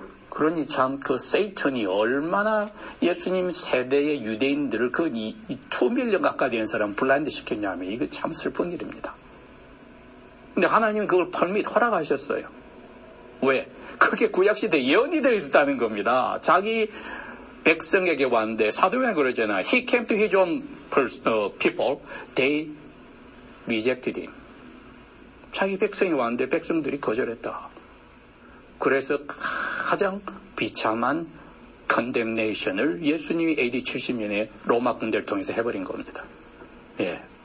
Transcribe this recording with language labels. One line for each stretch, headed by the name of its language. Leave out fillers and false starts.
Korean: 그러니 참 그 세이턴이 얼마나 예수님 세대의 유대인들을 그 2밀리언 가까이 된 사람 블라인드 시켰냐 하면 이거 참 슬픈 일입니다. 근데 하나님은 그걸 펄밋 허락하셨어요. 왜? 그게 구약시대 예언이 되어 있었다는 겁니다. 자기 백성에게 왔는데 사도행 그러잖아.
English: He came to his own people. They rejected him.
Korean: 자기 백성이 왔는데 백성들이 거절했다. 그래서 가장 비참한 condemnation을 예수님이 AD 70년에 로마 군대를 통해서 해버린 겁니다. 예.